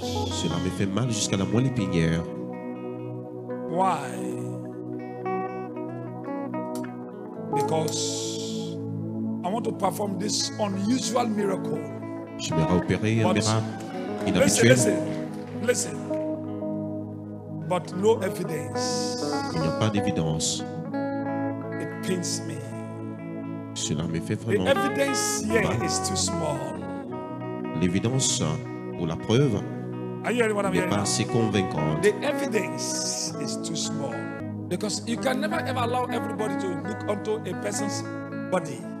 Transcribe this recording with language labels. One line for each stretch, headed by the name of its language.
French: Cela me fait mal jusqu'à la moelle épinière.
English: Why? Because I want to perform this unusual miracle.
French: Je vais opérer un miracle inhabituel.
English: Listen. But no evidence.
French: Il n'y a pas d'évidence.
English: It pains me.
French: Cela me fait vraiment mal.
English: The evidence here is too small.
French: L'évidence ou la preuve n'est pas assez convaincante.
English: The evidence is too small. Because you can never ever allow everybody to look onto a person's body.